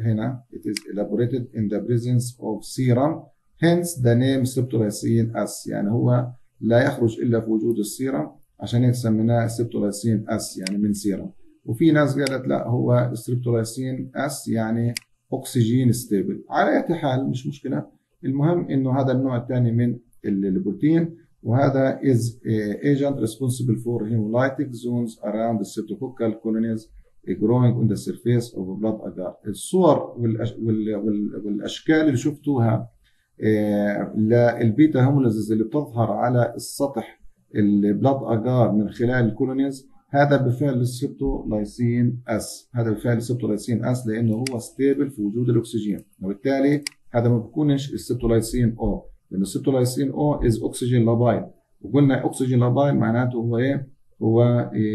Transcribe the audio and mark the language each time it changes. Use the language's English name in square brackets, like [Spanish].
[Arabic] هنا [English] it is elaborated in the presence of serum hence the name [Arabic] سيبتولايسين اس، يعني هو لا يخرج الا في وجود السيرم، عشان هيك سميناه سيبتولايسين اس يعني من سيرم. وفي ناس قالت لا هو سيبتولايسين اس يعني اوكسجين ستيبل. على اي حال مش مشكله، المهم انه هذا النوع الثاني من البروتين، وهذا [English] is agent responsible for hemolytic zones around the cytococcal colonies growing on the surface of blood agar. [Arabic] الصور والأشكال اللي شفتوها للبيتا هيموليزز اللي بتظهر على السطح البلاد أجار من خلال الكولونيز، هذا بفعل السيبتولايسين اس، هذا بفعل السيبتولايسين اس لانه هو ستيبل في وجود الاكسجين، وبالتالي هذا ما بكونش السيبتولايسين او، لانه السيبتولايسين او [English] is oxygen labile, [Arabic] وقلنا اوكسجين لابايل معناته هو ايه؟ هو